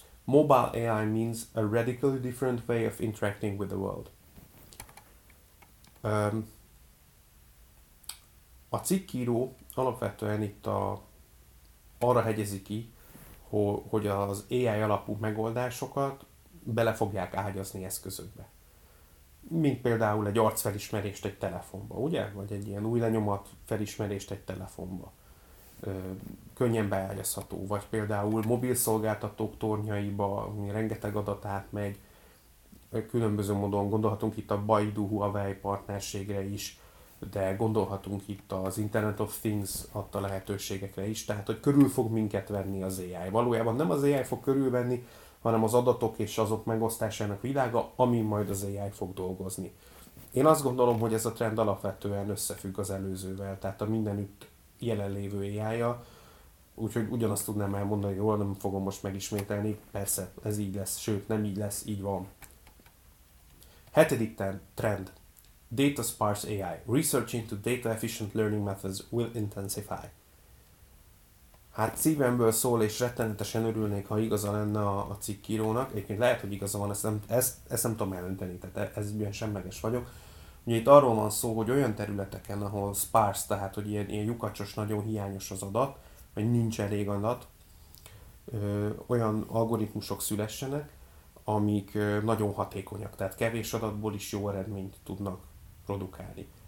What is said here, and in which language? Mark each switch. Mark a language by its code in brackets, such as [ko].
[en] Mobile AI means a radically different way of interacting with the world. [hu] A cikkíró alapvetően itt arra hegyezi ki, hogy az AI alapú megoldásokat bele fogják ágyazni eszközökbe. Mint például egy arcfelismerést egy telefonba, ugye? Vagy egy ilyen új lenyomat felismerést egy telefonba. Könnyen beágyazható, vagy például mobil szolgáltatók tornyaiba, ami rengeteg adat átmegy, különböző módon gondolhatunk itt a Baidu Huawei partnerségre is, de gondolhatunk itt az Internet of Things adta lehetőségekre is, tehát hogy körül fog minket venni az AI. Valójában nem az AI fog körülvenni, hanem az adatok és azok megosztásának világa, ami majd az AI fog dolgozni. Én azt gondolom, hogy ez a trend alapvetően összefügg az előzővel, tehát a mindenütt jelenlévő AI-ja, úgyhogy ugyanazt tudnám elmondani, jól nem fogom most megismételni, persze ez így lesz, sőt nem így lesz, így van. Hetedik trend. [en] Data sparse AI. Research into data efficient learning methods will intensify. [hu] Hát szívemből szól, és rettenetesen örülnék, ha igaza lenne a cikkírónak. Egyébként lehet, hogy igaza van, ezt nem tudom jelenteni, tehát ez ilyen semleges vagyok. Ugye itt arról van szó, hogy olyan területeken, ahol sparse, tehát hogy ilyen lyukacsos, nagyon hiányos az adat, vagy nincs elég adat, olyan algoritmusok szülessenek, amik nagyon hatékonyak, tehát kevés adatból is jó eredményt tudnak produkálni.